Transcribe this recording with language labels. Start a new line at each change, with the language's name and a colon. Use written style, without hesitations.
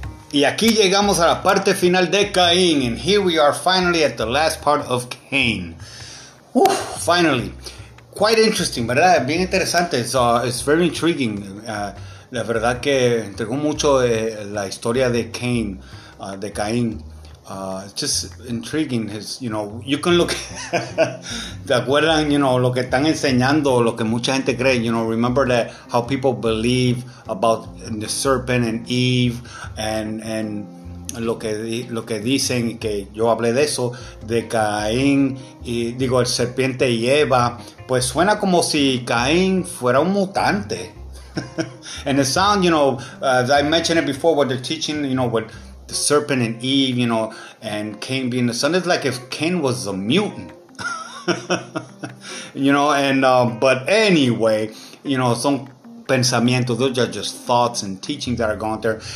Spanish: Y aquí llegamos a la parte final de Cain.
English: And here we are finally at the last part of Cain. Whew, finally. Quite interesting,
Spanish: ¿verdad? Bien interesante.
English: It's very intriguing.
Spanish: La verdad que entregó mucho la historia de Cain, de Cain.
English: Just intriguing. His, you know, you can look.
Spanish: ¿Te acuerdan? You know, lo que están enseñando, lo que mucha gente cree.
English: You know, remember that how people believe about the serpent and Eve, and
Spanish: lo que dicen que yo hablé de eso, de Caín y digo el serpiente y Eva. Pues suena como si Caín fuera un mutante.
English: And it sounds, you know, as I mentioned it before, what they're teaching, you know, what. The serpent and Eve, you know, and Cain being the son. It's like if Cain was a mutant. You know, and but anyway, you know, some pensamientos, those are just thoughts and teachings that are going there.